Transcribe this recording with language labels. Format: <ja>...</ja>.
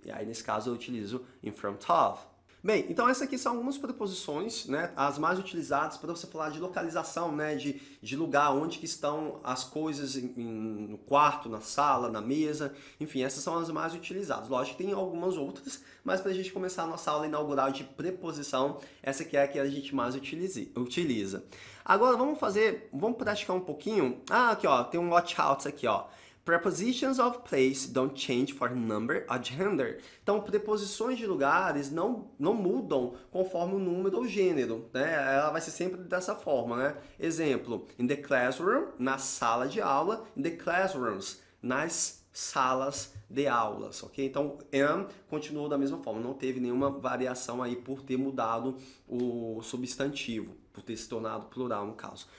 <pt>E aí, nesse caso, eu utilizo</pt> <en>in front of.</en> <pt>Bem, então essas aqui são algumas preposições, né, as mais utilizadas para você falar de localização, né, de lugar, onde que estão as coisas no quarto, na sala, na mesa. Enfim, essas são as mais utilizadas. Lógico que tem algumas outras, mas para a gente começar a nossa aula inaugural de preposição, essa aqui é a que a gente mais utiliza. Agora vamos praticar um pouquinho. Ah, aqui ó, tem um</pt> <en>watch out</en> <pt>aqui ó.</pt> <en>Prepositions of place don't change for number or gender.</en> <pt>Então, preposições de lugares não mudam conforme o número ou gênero, né? Ela vai ser sempre dessa forma, né? Exemplo,</pt> <en>in the classroom,</en> <pt>na sala de aula,</pt> <en>in the classrooms,</en> <pt>nas salas de aulas, ok? Então, am continuou da mesma forma, não teve nenhuma variação aí por ter mudado o substantivo, por ter se tornado plural, no caso.</pt>